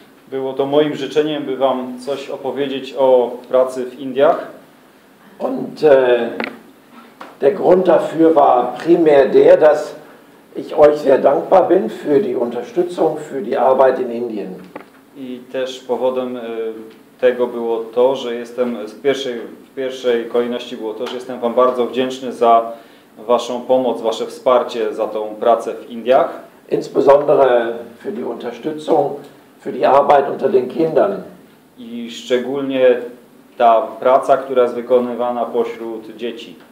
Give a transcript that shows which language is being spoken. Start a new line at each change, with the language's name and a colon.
Polish: Było to moim życzeniem, by Wam coś opowiedzieć o pracy w Indiach.
German: Und der Grund dafür war primär der, dass ich euch sehr dankbar bin für die Unterstützung für die Arbeit in Indien.
Polish: I też powodem tego było to, że jestem w pierwszej kolejności było to, że jestem Wam bardzo wdzięczny za Waszą pomoc, Wasze wsparcie za tą pracę w Indiach.
German: Insbesondere für die Unterstützung für die Arbeit unter den Kindern.
Polish: I szczególnie ta praca, która jest wykonywana pośród dzieci.